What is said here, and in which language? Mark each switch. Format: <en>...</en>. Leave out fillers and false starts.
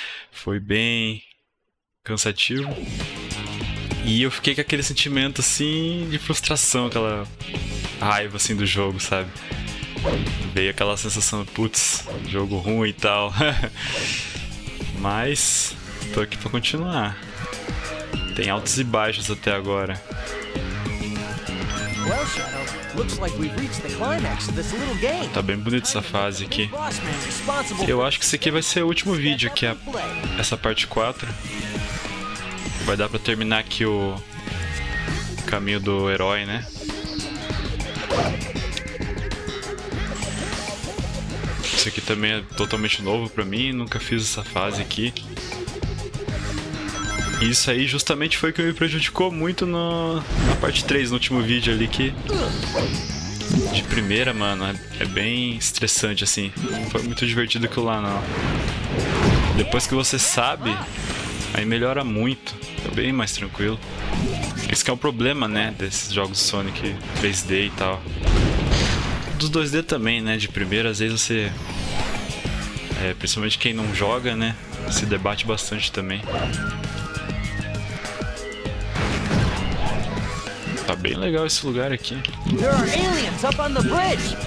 <pt>Foi bem cansativo. E eu fiquei com aquele sentimento assim de frustração, aquela raiva assim do jogo, sabe? Veio aquela sensação, putz, jogo ruim e tal. Mas tô aqui pra continuar. Tem altos e baixos até agora.</pt> <en>Well, Shadow, looks like we've reached the climax of this little game.</en> <pt>Tá bem bonita essa fase aqui. Eu acho que esse aqui vai ser o último vídeo, que é essa parte 4. Vai dar pra terminar aqui o caminho do herói, né? Isso aqui também é totalmente novo pra mim, nunca fiz essa fase aqui. Isso aí justamente foi o que me prejudicou muito no, na parte 3, no último vídeo ali, que de primeira, mano, é bem estressante assim. Não foi muito divertido aquilo lá não. Depois que você sabe, aí melhora muito. É bem mais tranquilo. Isso que é um problema, né, desses jogos Sonic 3D e tal. Dos 2D também, né? De primeira, às vezes você. Principalmente quem não joga, né? Se debate bastante também. Tá bem legal esse lugar aqui.</pt> <en>There are aliens up on the bridge.</en>